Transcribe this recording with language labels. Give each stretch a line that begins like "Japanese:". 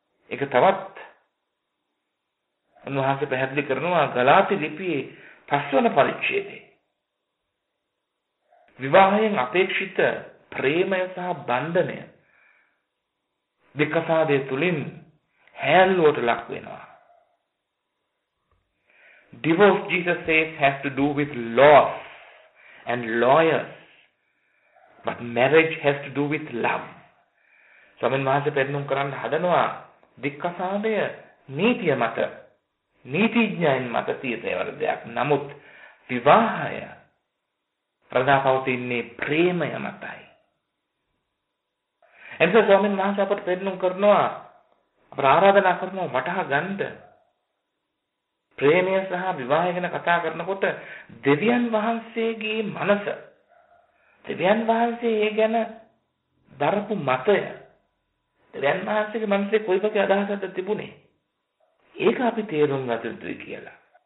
Sinhala: ඒක තවත් උන්වහන්සේ පැහැදිලි කරනවා ගලාති ලිපියේ 5 වන පරිච්ඡේදයේ විවාහයෙන් අපේක්ෂිත ප්‍රේමය සහ බන්ධනය දෙකසාදය තුළින් හැල්ලුවට ලක් වෙනවා.
English: Divorce, Jesus says, has to do with laws and lawyers. But marriage has to do with love.
Sinhala: ස්වාමීන් වහන්සේ පෙන්නුම් කරන්න හදනවා දෙකසාදය නීතිය මත, නීතිඥයන් මත තියෙන දෙයක්. නමුත් විවාහය ප්‍රදාපවතින්නේ ප්‍රේමය මතයි. එනිසා ස්වාමීන් වහන්සේ අපට පෙන්නුම් කරනවා, අපට ආරාධනා කරනවා වටහා ගන්න ප්‍රේමය සහ විවාහය ගැන කතා කරනකොට දෙවියන් වහන්සේගේ මනස, දෙවියන් වහන්සේ ඒ ගැන දරපු මතය, දෙවියන් වහන්සේගේ මනසේ කොයි වගේ අදහසක්ද තිබුණේ ඒක අපි තේරුම් ගත යුතුයි කියලා.